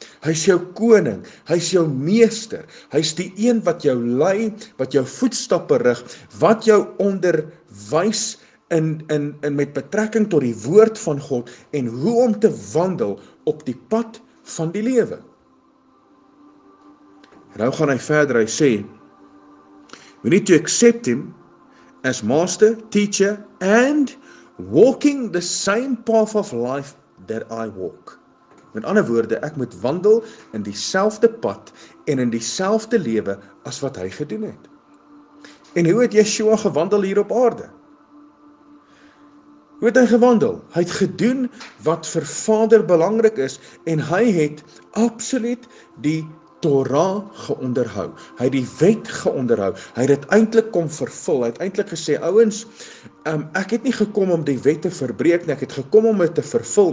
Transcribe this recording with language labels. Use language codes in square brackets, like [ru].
[af] Hy is jou koning, hy is jou meester, hy is die een wat jou lei, wat jou voetstappe rig, wat jou onderwys in met betrekking tot die woord van God en hoe om te wandel op die pad van die lewe. Nou gaan hy verder, hy sê, [en] we need to accept him as master, teacher and walking the same path of life that I walk. [af] Met ander woorde, ek moet wandel in dieselfde pad en in dieselfde lewe as wat hy gedoen het. En hoe het Yeshua gewandel hier op aarde? Hoe het hy gewandel? Hy het gedoen wat vir Vader belangrik is en hy het absoluut die Torah geonderhou. Hy het die wet geonderhou. Hy het dit eintlik kom vervul. Hy het eintlik gesê, ouens, ek het nie gekom om die wet te verbreek nie, ek het gekom om dit te vervul.